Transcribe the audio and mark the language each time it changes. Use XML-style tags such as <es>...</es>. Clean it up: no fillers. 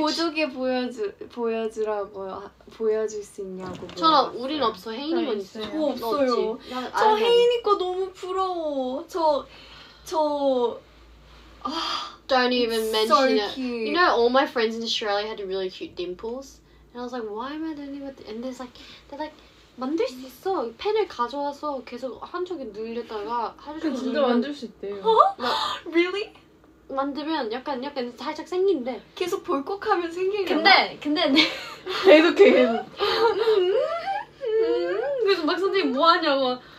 <ko>보조개 보여주라고 보여줄 수 있냐고. 저 우린 없어. 혜인이만 있어요. 저 없어요. 저 혜인이 거 너무 부러워. 저.</ko> <en>Don't even mention it. You know, all my friends in Australia had really cute dimples. And I was like, why am I doing it? And there's like, they're like,</en> <ko>만들 수 있어. 펜을 가져와서 계속 한쪽에 눌렸다가 한쪽에 진짜 만들 수 있대요.</ko> <en>Really?</en> <ko>만들면 약간 살짝 생긴데. 계속 볼컥하면 생기려나? 근데. 계속. 그래서 막 선생님 뭐 하냐고.</ko>